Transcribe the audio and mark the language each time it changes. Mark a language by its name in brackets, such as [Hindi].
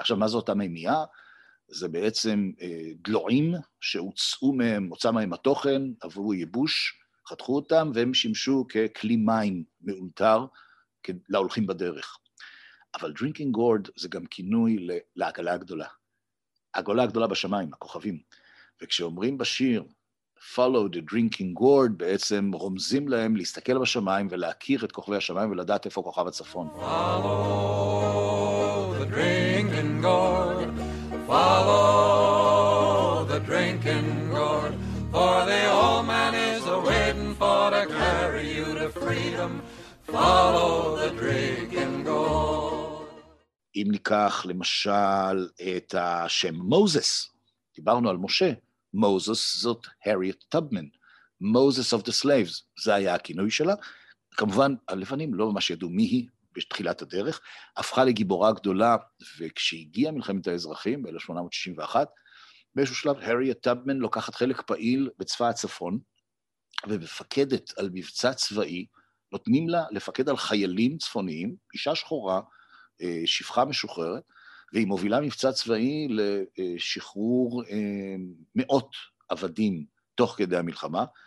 [Hebrew] עכשיו, מה זה אותה מימייה? זה בעצם דלועים שהוצאו מהם, הוצא מהם התוכן, עברו ייבוש, חתכו אותם, והם שימשו ככלי מים מאולתר להולכים בדרך. אבל Drinking Gourd זה גם כינוי לעגלה הגדולה. העגלה הגדולה בשמיים, הכוכבים. וכשאומרים בשיר, Follow the Drinking Gourd, בעצם רומזים להם להסתכל בשמיים ולהכיר את כוכבי השמיים ולדעת איפה כוכב הצפון. [English] Follow the Drinking Gourd, Follow the Drinking Gourd, For the old man is waiting for to carry you to freedom. Follow the Drinking Gourd. [Hebrew] אם ניקח למשל את השם מוזס, דיברנו על משה, Moses זאת Harriet Tubman, Moses of the Slaves, זה היה הכינוי שלה. כמובן, הלבנים לא ממש ידעו מי היא בתחילת הדרך, הפכה לגיבורה גדולה, וכשהגיעה מלחמת האזרחים ב-1861, באיזשהו שלב, Harriet Tubman לוקחת חלק פעיל בצבא הצפון, ומפקדת על מבצע צבאי, נותנים לה לפקד על חיילים צפוניים, אישה שחורה, שפחה משוחררת, והיא מובילה מבצע צבאי לשחרור מאות עבדים תוך כדי המלחמה.